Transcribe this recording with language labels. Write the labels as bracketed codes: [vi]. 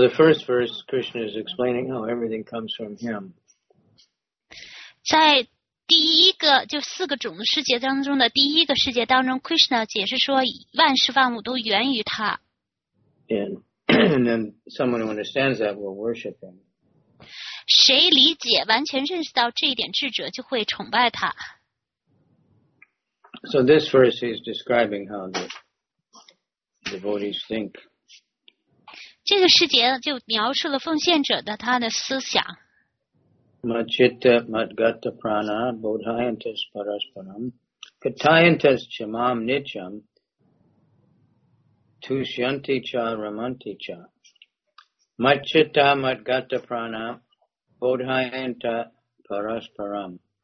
[en] the first verse, Krishna is explaining how everything comes from him. [zh] 在第一个，就四个种子世界当中的第一个世界当中， Krishna 解释说万事万物都源于他。And [en] then someone who understands that will worship him. [zh] 谁理解完全认识到这一点，智者就会崇拜他。So [en] this verse is describing how the devotees think. [zh] 这个世节就描述了奉献者的他的思想。Machitta [sa] madgata prana bodhayantas parasparam katayantas chamam nityam tushyanti cha ramanti cha Machitta madgata prana Bodhayanta parasparam.